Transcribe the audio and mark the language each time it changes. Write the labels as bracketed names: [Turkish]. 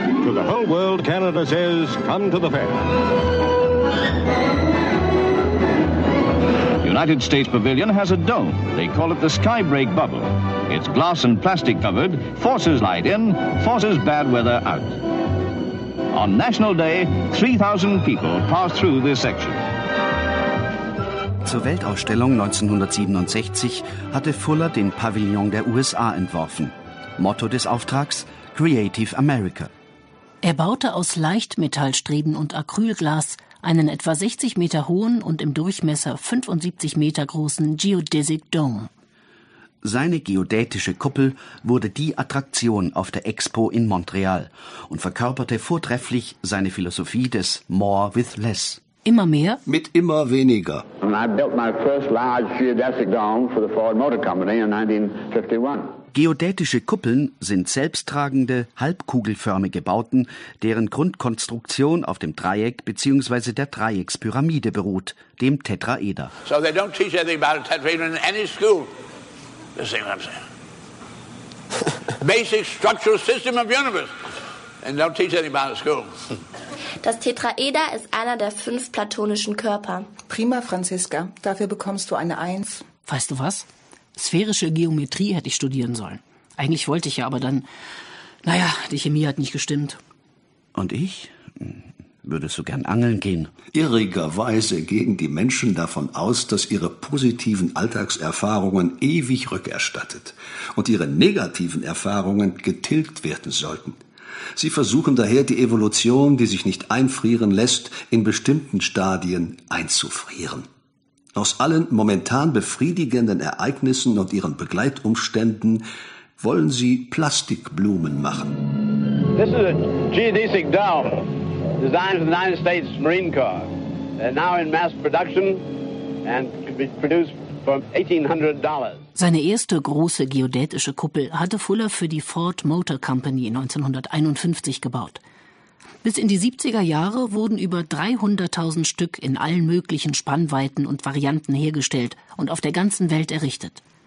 [English] To the whole world, Canada says, come to the fair. United States Pavilion has a dome. They call it the Skybreak Bubble. It's glass and plastic covered, forces light in, forces bad weather out. On National Day, 3,000 people pass through this section. [German] Zur Weltausstellung 1967 hatte Fuller den Pavillon der USA entworfen. Motto des Auftrags: [English] Creative America. [German] Er baute aus Leichtmetallstreben und Acrylglas einen etwa 60 Meter hohen und im Durchmesser 75 Meter großen Geodesic Dome. Seine geodätische Kuppel wurde die Attraktion auf der Expo in Montreal und verkörperte vortrefflich seine Philosophie des [English] More with Less. [German] Immer mehr? Mit immer weniger. [English] And I built my first large geodesic dome for the Ford Motor Company in 1951. [German] Geodätische Kuppeln sind selbsttragende, halbkugelförmige Bauten, deren Grundkonstruktion auf dem Dreieck bzw. der Dreieckspyramide beruht, dem Tetraeder. [English] So they don't teach anything about a tetrahedron in any school. You see what I'm saying? Basic structural system of universe. And don't teach anything about a school. [German] Das Tetraeder ist einer der fünf platonischen Körper. Prima, Franziska. Dafür bekommst du eine Eins. Weißt du was? Sphärische Geometrie hätte ich studieren sollen. Eigentlich wollte ich ja, aber dann, naja, die Chemie hat nicht gestimmt. Und ich? Würdest du gern angeln gehen? Irrigerweise gehen die Menschen davon aus, dass ihre positiven Alltagserfahrungen ewig rückerstattet und ihre negativen Erfahrungen getilgt werden sollten. Sie versuchen daher, die Evolution, die sich nicht einfrieren lässt, in bestimmten Stadien einzufrieren. Aus allen momentan befriedigenden Ereignissen und ihren Begleitumständen wollen sie Plastikblumen machen. [English] This is a geodesic dome designed for the United States Marine Corps. They're now in mass production and could be produced for $1,800. [German] Seine erste große geodätische Kuppel hatte Fuller für die Ford Motor Company 1951 gebaut. Bis in die 70er Jahre wurden über 300.000 Stück in allen möglichen Spannweiten und Varianten hergestellt und auf der ganzen Welt errichtet.